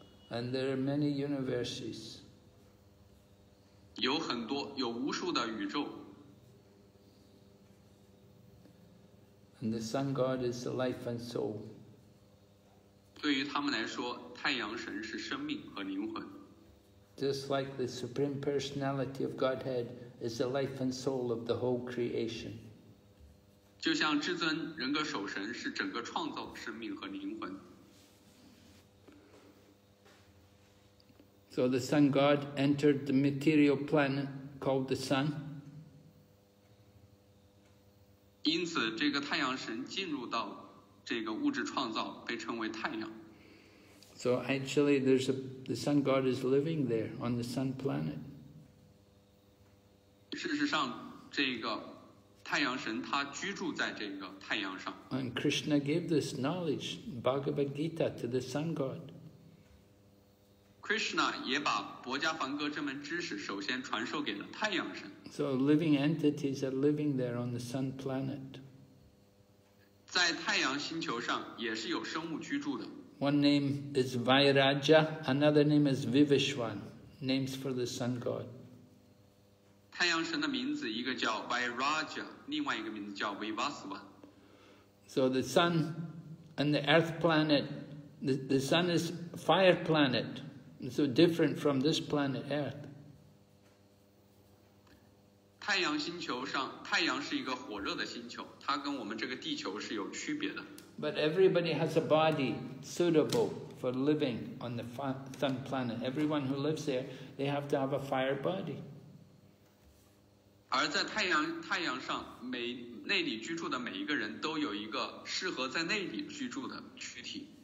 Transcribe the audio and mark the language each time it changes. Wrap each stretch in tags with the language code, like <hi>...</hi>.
<en>And there are many universes.</en> <zh>有很多，有无数的宇宙。</zh> <en>And the sun god is the life and soul.</en> <zh>对于他们来说，太阳神是生命和灵魂。</zh> <en>Just like the Supreme Personality of Godhead is the life and soul of the whole creation.</en> <zh>就像至尊人格守神是整个创造生命和灵魂。</zh> <en>So the Sun God entered the material planet called the Sun.</en> <zh>因此这个太阳神进入到这个物质创造被称为太阳。</zh> <en>So actually, there's a, the Sun God is living there on the Sun planet.</en> <zh>事实上，这个太阳神他居住在这个太阳上。</zh> <en>And Krishna gave this knowledge, Bhagavad Gita, to the Sun God.</en> <zh>Krishna 也把薄伽梵歌这门知识首先传授给了太阳神。</zh> <en>So living entities are living there on the Sun planet.</en> <zh>在太阳星球上也是有生物居住的。</zh> <en>One name is Vairaja, another name is Vivishwan, names for the sun god.</en> <zh>太阳神的名字一个叫 Vairaja, 另外一个名字叫 Vivaswan.</zh> <en>So the sun and the earth planet, the sun is fire planet, so different from this planet earth.</en> <zh>太阳星球上，太阳是一个火热的星球，它跟我们这个地球是有区别的。</zh> <en>But everybody has a body suitable for living on the sun planet. Everyone who lives there, they have to have a fire body.</en> <zh>而在太阳上，每那里居住的每一个人都有一个适合在那里居住的躯体。</zh>